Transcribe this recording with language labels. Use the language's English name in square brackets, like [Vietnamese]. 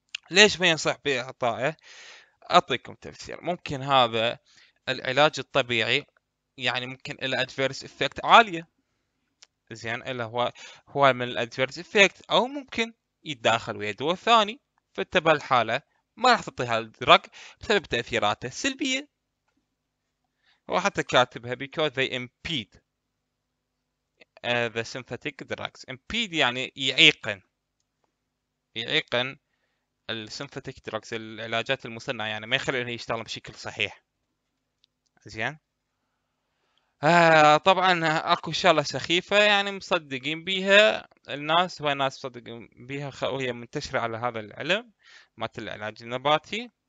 [Arabic] ليش ما ينصح بإعطائه؟ اعطيكم تفسير، ممكن هذا العلاج الطبيعي يعني ممكن له ادفيرس افكت عالية زين، الا هو من الادفيرس افكت، او ممكن يتداخل ويا دواء ثاني، فانت بهالحاله ما راح تعطيها الدرج بسبب تأثيراته السلبية. وحتى كاتبها [English] because they impede the synthetic drugs. [Arabic] Impede يعني يعيقن، يعيقن ال synthetic drugs العلاجات المصنعة، يعني ما يخليها يشتغل بشكل صحيح. زين طبعا اكو شغله سخيفه يعني مصدقين بيها الناس، هواي ناس مصدقين بيها، وهي منتشره على هذا العلم مات العلاج النباتي.